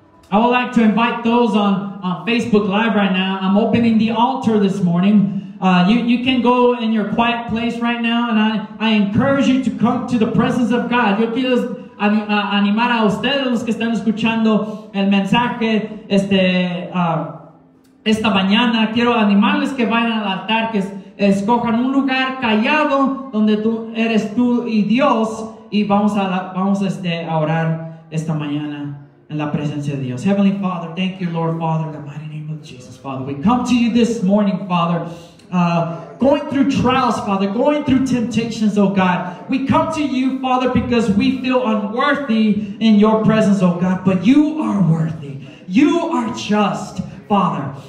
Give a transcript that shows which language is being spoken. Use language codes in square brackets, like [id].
[en] I would like to invite those on Facebook Live right now. I'm opening the altar this morning. You can go in your quiet place right now, and I encourage you to come to the presence of God. [es] Yo quiero animar a ustedes, los que están escuchando el mensaje esta mañana. Quiero animarles que vayan al altar, que escojan un lugar callado donde tú eres tú y Dios. Y vamos a orar esta mañana en la presencia de Dios. [en] Heavenly Father, thank you, Lord Father, in the mighty name of Jesus, Father. We come to you this morning, Father, going through trials, Father, going through temptations, oh God. We come to you, Father, because we feel unworthy in your presence, oh God. But you are worthy. You are just, Father.